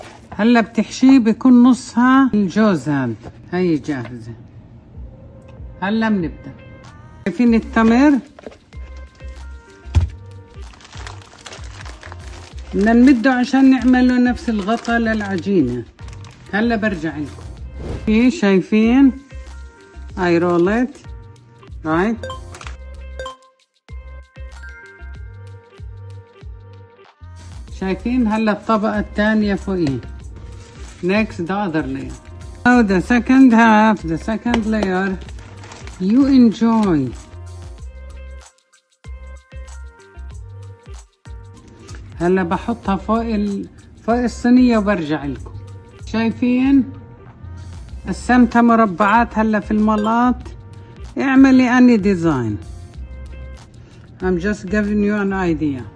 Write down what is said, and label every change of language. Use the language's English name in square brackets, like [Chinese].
[Arabic] هلا بتحشيه بيكون نصها الجوز هذا. هي جاهزة. هلا بنبدأ. شايفين التمر؟ بدنا نمده عشان نعمله نفس الغطاء للعجينة. هلا برجع لكم. شايفين؟ [English] I roll it. Right. [Arabic] شايفين هلا الطبقة الثانية فوقيه. [English] Next the other layer. Oh, the second half, the second layer. You enjoy. [Arabic] هلا هلا بحطها فوق الصينية وبرجع لكم. شايفين قسمتها مربعات هلا في الملاط. اعملي [English] Any design. I'm just giving you an idea.